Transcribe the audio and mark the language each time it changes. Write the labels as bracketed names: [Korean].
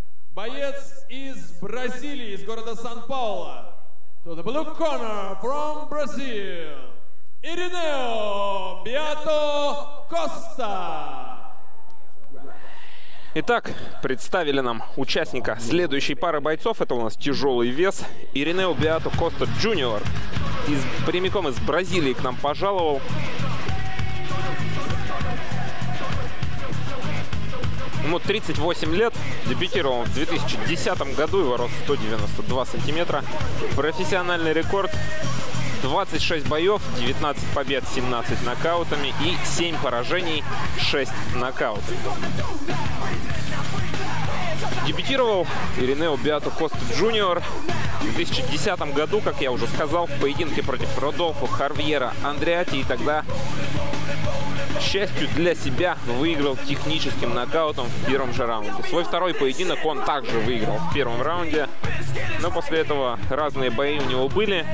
[Russian] Боец из Бразилии, из города Сан-Пауло. [English] To the blue corner from Brazil. Ireneu Beato Costa. [Russian] Итак, представили нам участника следующей пары бойцов. Это у нас тяжелый вес. Ireneu Beato Costa Jr. Прямиком из Бразилии к нам пожаловал. Ему 38 лет, дебютировал в 2010 году, его рост 192 сантиметра. Профессиональный рекорд 26 боев, 19 побед, 17 нокаутами и 7 поражений, 6 нокаутов. Дебютировал Ireneu Beato Costa Jr. в 2010 году, как я уже сказал, в поединке против Родолфо Хавьера Андреати. И тогда, к счастью для себя, выиграл техническим нокаутом в первом же раунде. Свой второй поединок он также выиграл в первом раунде. Но после этого разные бои у него были.